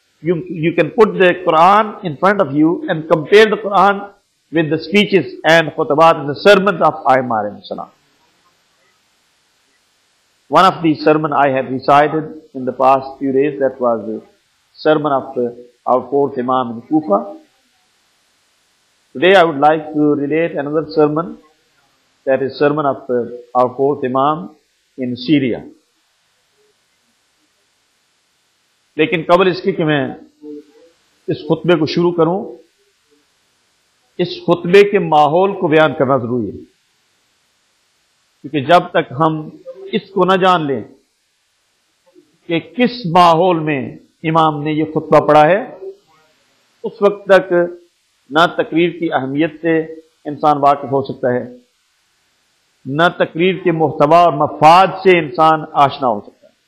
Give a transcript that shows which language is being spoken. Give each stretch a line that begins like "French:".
English: you can put the Quran in front of you and compare the Quran with the speeches and خطبات and the sermons of آئمہ
Arabic: علیہ السلام.
English: One of the sermon I had recited in the past few days, that was the sermon of our fourth Imam in Kufa. Today I would like to relate another sermon, that is sermon of our fourth Imam in Syria.
Urdu: لیکن قبل اس کے کہ میں اس خطبے کو شروع کروں, اس خطبے کے ماحول کو بیان کرنا ضروری ہے, کیونکہ جب تک ہم اس کو نہ جان لیں کہ کس ماحول میں امام نے یہ خطبہ پڑھا ہے, اس وقت تک نہ تقریر کی اہمیت سے انسان واقف ہو سکتا ہے, نہ تقریر کے محتوی اور مفاد سے انسان آشنا ہو سکتا ہے.